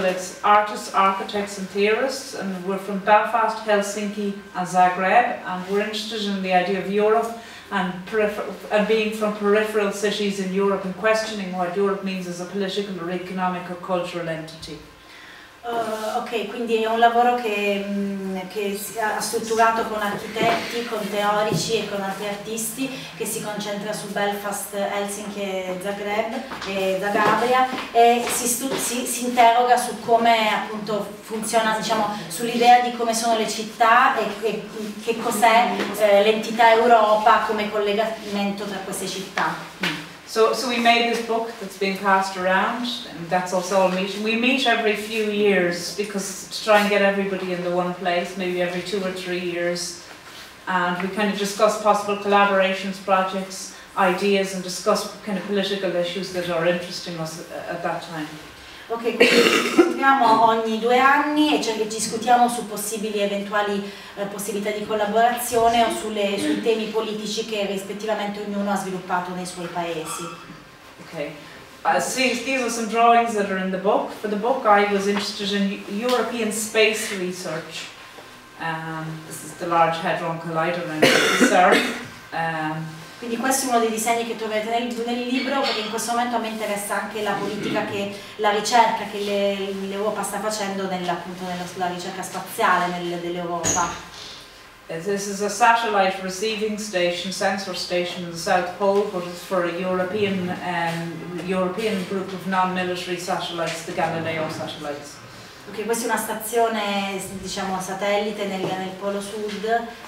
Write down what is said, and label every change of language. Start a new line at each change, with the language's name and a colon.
English: It's artists, architects and theorists, and we're from Belfast, Helsinki and Zagreb, and we're interested in the idea of Europe and being from peripheral cities in Europe and questioning what Europe means as a political or economic or cultural entity. Ok,
Italian: Ok, quindi è un lavoro che ha strutturato con architetti, con teorici e con altri artisti, che si concentra su Belfast, Helsinki, Zagreb e Zagabria, e si interroga su come appunto funziona, diciamo, sull'idea di come sono le città e che cos'è l'entità Europa come collegamento tra queste città.
English: So we made this book that's been passed around, and that's also a meeting. We meet every few years because to try and get everybody in the one place, maybe every 2 or 3 years, and we kind of discuss possible collaborations, projects, ideas, and discuss kind of political issues that are interesting us at that time.
Italian: Ok, quindi abbiamo ogni 2 anni e cioè discutiamo su possibili eventuali possibilità di collaborazione o sui temi politici che rispettivamente ognuno ha sviluppato nei suoi paesi.
English: Ok, these are some drawings that are in the book. For the book I was interested in European space research. This is the Large Hadron Collider I'm concerned.
Italian: Quindi questo è uno dei disegni che troverete nel libro, perché in questo momento a me interessa anche la politica, che la ricerca che l'Europa sta facendo sulla ricerca spaziale dell'Europa.
English: This is a satellite receiving station, sensor station in the South Pole, but it's for a European group of non-military satellites, the Galileo satellites.
Italian: Ok, questa è una stazione, diciamo, satellite nel Polo Sud.